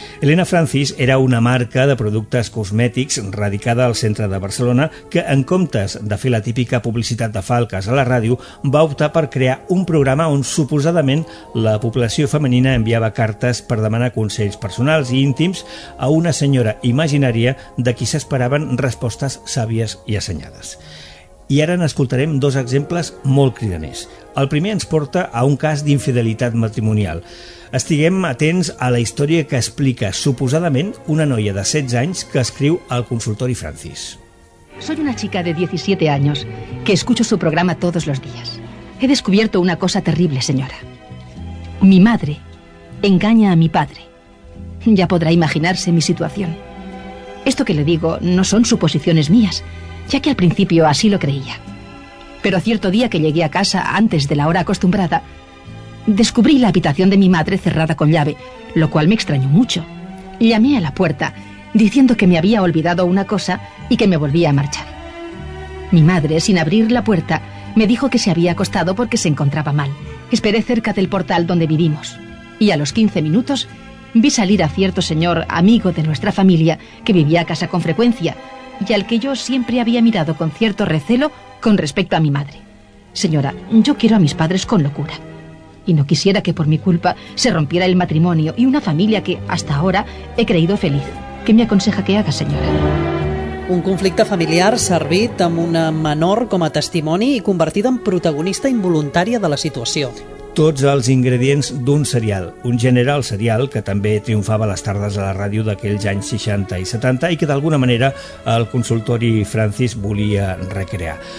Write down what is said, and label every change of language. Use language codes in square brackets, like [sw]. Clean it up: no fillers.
[ca] Helena Francis era una marca de productes cosmètics radicada al centre de Barcelona que, en comptes de fer la típica publicitat de falques a la ràdio, va optar per crear un programa on, suposadament, la població femenina enviava cartes per demanar consells personals i íntims a una senyora imaginària de qui s'esperaven respostes sàvies i assenyades. I ara n'escoltarem dos exemples molt cridaners. El primer ens porta a un cas d'infidelitat matrimonial. Estiguem atents a la història que explica, suposadament, una noia de 16 anys que escriu al consultori Francis. [es] Soy una chica de 17 años que escucho su programa todos los días. He descubierto una cosa terrible, señora. Mi madre engaña a mi padre. Ya podrá imaginarse mi situación. Esto que le digo no son suposiciones mías, ya que al principio así lo creía. Pero cierto día que llegué a casa antes de la hora acostumbrada, descubrí la habitación de mi madre cerrada con llave, lo cual me extrañó mucho. Llamé a la puerta diciendo que me había olvidado una cosa y que me volvía a marchar. Mi madre, sin abrir la puerta, me dijo que se había acostado porque se encontraba mal. Esperé cerca del portal donde vivimos. Y a los 15 minutos vi salir a cierto señor amigo de nuestra familia que vivía a casa con frecuencia y al que yo siempre había mirado con cierto recelo con respecto a mi madre. Señora, yo quiero a mis padres con locura y no quisiera que por mi culpa se rompiera el matrimonio y una familia que hasta ahora he creído feliz. ¿Qué me aconseja que haga, señora? [ca] Un conflicte familiar servit amb una menor com a testimoni i convertida en protagonista involuntària de la situació. Tots els ingredients d'un serial, un gènere, el serial, que també triomfava les tardes a la ràdio d'aquells anys 60 i 70 i que d'alguna manera el consultori Francis volia recrear.